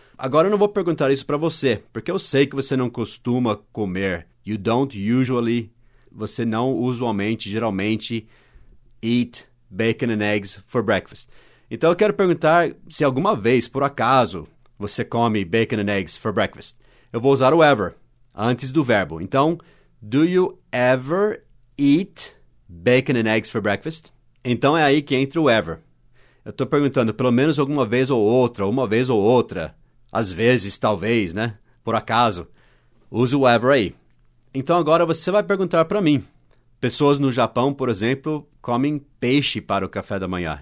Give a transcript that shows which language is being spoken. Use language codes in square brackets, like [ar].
[pt] Agora eu não vou perguntar isso para você, porque eu sei que você não costuma comer. [en] You don't usually, [pt] você não usualmente, geralmente, [en] eat bacon and eggs for breakfast. [pt] Então, eu quero perguntar se alguma vez, por acaso, você come [en] bacon and eggs for breakfast. [pt] eu vou usar o ever antes do verbo. Então, [en] do you ever eat bacon and eggs for breakfast? [pt] Então, é aí que entra o ever. Eu estou perguntando pelo menos alguma vez ou outra, uma vez ou outra. Às vezes, talvez, né? Por acaso. Use o ever aí. Então, agora você vai perguntar para mim. Pessoas no Japão, por exemplo, comem peixe para o café da manhã.